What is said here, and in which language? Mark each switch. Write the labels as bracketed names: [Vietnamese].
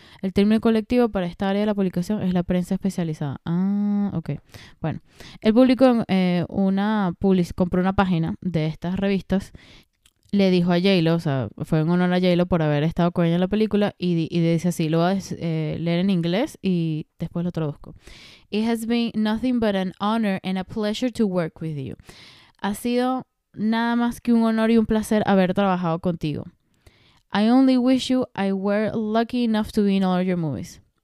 [Spanish] El término colectivo para esta área de la publicación es la prensa especializada. Ah, ok. Bueno, el público compró una página de estas revistas. Le dijo a J-Lo, o sea, fue en honor a J-Lo por haber estado con ella en la película, y dice así, lo voy a leer en inglés y después lo traduzco. [English] It has been nothing but an honor and a pleasure to work with you. [Spanish] Ha sido nada más que un honor y un placer haber trabajado contigo. [English] I only wish you I were lucky enough to be in all of your movies.